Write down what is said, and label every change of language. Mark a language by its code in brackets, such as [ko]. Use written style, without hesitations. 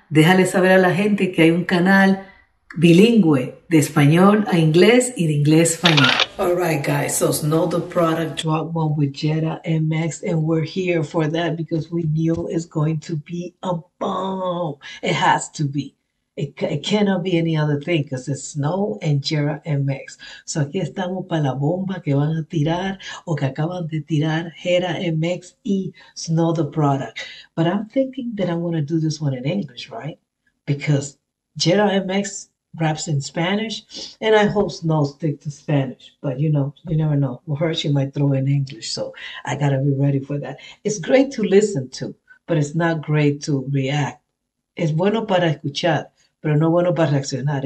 [es] Déjale saber a la gente que hay un canal bilingüe de español a inglés y de inglés a español. [en] All right, guys. So, Snow the Product drop one with Gera and Max. And we're here for that because we knew it's going to be a bomb. It has to be. It cannot be any other thing because it's Snow and Gera and Max. [es] So, aquí estamos para la bomba que van a tirar o que acaban de tirar Gera and Max y Snow the Product. [en] But I'm thinking that I'm going to do this one in English, right? Because Gera and Max raps in Spanish, and I hope Snow stick to Spanish. But, you know, you never know. Well, her, she might throw in English, so I got to be ready for that. It's great to listen to, but it's not great to react. [es] Es bueno para escuchar, pero no bueno para reaccionar.